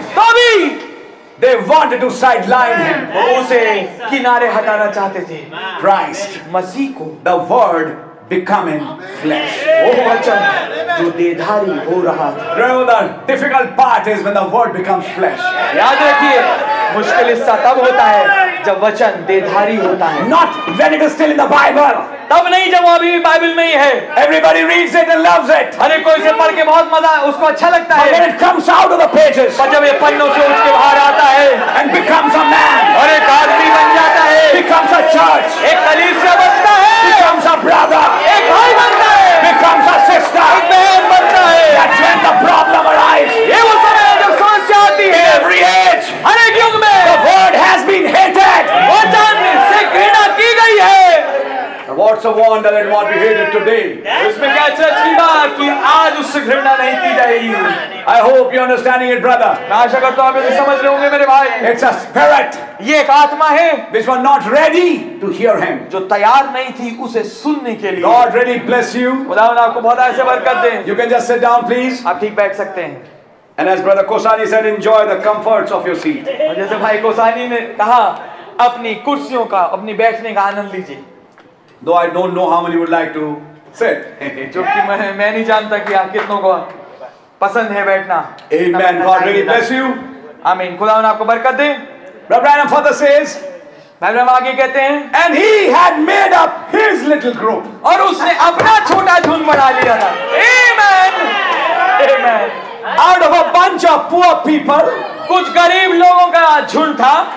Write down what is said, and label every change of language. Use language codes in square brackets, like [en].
[hi] तभी. [en] They wanted to sideline him. [hi] वो उसे किनारे हटाना चाहते थे. [en] Christ. [hi] मसीह को. [en] The word. Becoming flesh. [hi] वो वचन जो देहधारी हो रहा था. [en] Remember, the difficult part is when the word becomes flesh. [hi] याद रखिए मुश्किल हिस्सा तब होता है जब वचन देहधारी होता है. [en] Not when it is still in the Bible. [hi] तब नहीं जब वो अभी बाइबल में ही है. [en] Everybody reads it and loves it. [hi] अरे कोई इसे पढ़ के बहुत मजा उसको अच्छा लगता है. [en] But when it comes out of the pages. [hi] पर जब ये पन्नों से उठ के बाहर आता है. [en] And becomes a man. [hi] और एक आदमी बन जाता है. [en] Becomes a church. [hi] एक कलीसिया बनता है. [en] Becomes a brother. [hi] एक भाई बनता है. [en] Becomes a sister. [hi] एक बहन बनता है. [en] That's when the problem arises. [hi] ये वो समय है जब समस्या आती है. [en] Every age. [hi] हर एक युग में. [en] The word has been hated. [hi] वचन से घृणा की गई है. [en] What's a wonder that what we hated today? [hi] उसमें क्या अच्छी बात कि आज उससे घृणा नहीं की जाएगी. [en] I hope you're understanding it, brother. [hi] आशा करता हूँ आप इसे समझ रहे होंगे मेरे भाई. [en] It's a spirit. [hi] ये एक आत्मा है. [en] Which were not ready to hear him. [hi] जो तैयार नहीं थी उसे सुनने के लिए. [en] God really bless you. [hi] खुदावन आपको बहुत ऐसे बरकत दे. [en] You can just sit down, please. [hi] आप ठीक बैठ सकते हैं. [en] And as brother Kosani said, enjoy the comforts of your seat. [hi] और जैसे भाई Kosani ने कहा अपनी कुर्सियों का अपनी बैठने का आनंद लीजिए. [en] Though I don't know how many would like to sit. [hi] क्योंकि मैं नहीं जानता कि आप कितनों को पसंद है बैठना. [en] Amen. God really bless you. [hi] Amen. खुदावन आपको बरकत दे. [en] Brother Father says. [hi] ब्रह्म आगे कहते हैं. [en] And he had made up his little group. [hi] और उसने अपना छोटा झुंड बना लिया था. [en] Amen. Amen. Out of a bunch of poor people. [hi] कुछ गरीब लोगों का झुंड था.